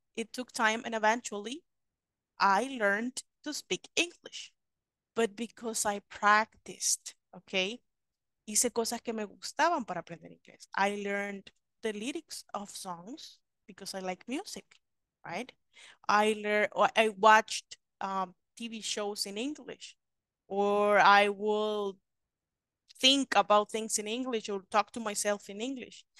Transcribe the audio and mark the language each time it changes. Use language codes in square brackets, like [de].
[en] It took time and eventually I learned to speak English. But because I practiced, okay? [es] Hice cosas que me gustaban para aprender inglés. [en] I learned the lyrics of songs because I like music, right? I watched TV shows in English, or I will think about things in English or talk to myself in English.